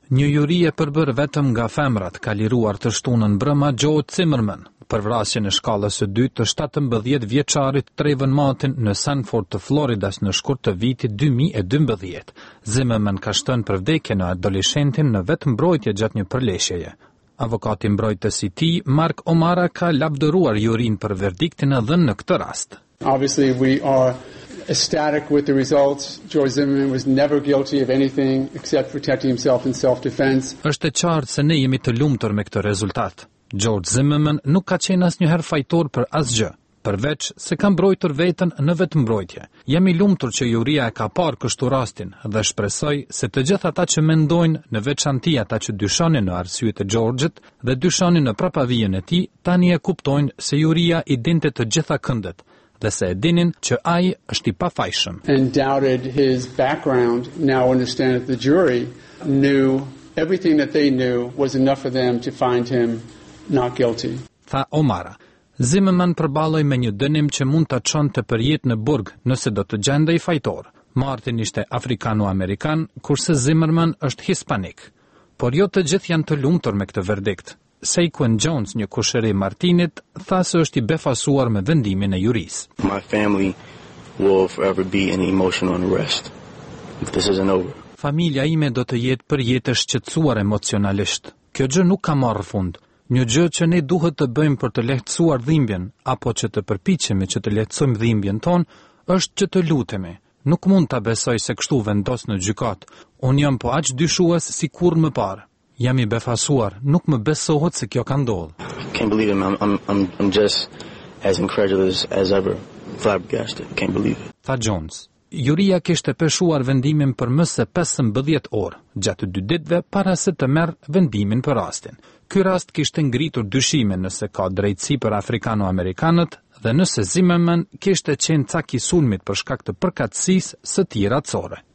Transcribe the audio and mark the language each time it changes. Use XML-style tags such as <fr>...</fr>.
<sq>Një juri e përbër vetëm nga femrat ka liruar të shtunën brëma Joe Zimmerman për vrasjen e shkallës së dytë të 17 vjeçarit Trayvon Martin në Sanford të Floridas në shkurt të vitit 2012. Zimmerman ka shtënë për vdekje në adoleshentin në vetë mbrojtje gjatë një përleshjeje. Avokati mbrojtës i tij, Mark Omara, ka lavdëruar jurin për verdiktin e dhënë në këtë rast.</sq> <en>Obviously we are ecstatic with the results. George Zimmerman was never guilty of anything except protecting himself in self-defense.</en> <sq>Është e qartë se ne jemi të lumtur me këtë rezultat. George Zimmerman nuk ka qenë asnjëherë fajtor për asgjë, përveç se ka mbrojtur veten në vetëmbrojtje. Jam i lumtur që juria e ka parë kështu rastin dhe shpresoj se të gjithë ata që mendojnë, në veçanti ata që dyshonin në arsyet e George-it dhe dyshonin në prapavijën e tij, tani e kuptojnë se juria i dinte të gjitha këndet dhe se e dinin që ai është i pafajshëm.</sq> <en>And doubted his background, now understand that the jury knew everything that they knew was enough for them to find him not guilty.</en> <sq>Tha Omara. Zimmerman përballoi me një dënim që mund ta çonte për jetë në burg nëse do të gjendej fajtor. Martin ishte afrikano-amerikan, kurse Zimmerman është hispanik. Por jo të gjithë janë të lumtur me këtë verdikt. Saquon Jones, një kushëri Martinit, tha se është i befasuar me vendimin e juris.</sq> <en>My family will forever be in emotional unrest if this isn't over.</en> <sq>Familja ime do të jetë për jetë shqetësuar emocionalisht. Kjo gjë nuk ka marrë fund. Një gjë që ne duhet të bëjmë për të lehtësuar dhimbjen, apo që të përpiqemi që të lehtësojmë dhimbjen tonë, është që të lutemi. Nuk mund të besoj se kështu vendos në gjykatë. Unë jam po aq dyshues si kur më parë. Jam i befasuar, nuk më besohet se kjo ka ndodhë.</sq> <en>I can't believe it, I'm just as incredulous as ever. Flabbergasted, can't believe it.</en> <sq>Tha Jones. Juria kishte peshuar vendimin për më se 15 orë, gjatë dy ditëve para se të merë vendimin për rastin. Ky rast kishte ngritur dyshime nëse ka drejtësi për afrikano-amerikanët dhe nëse Zimmerman kishte qenë cak i sulmit për shkak të përkatësisë së tij racore.</sq>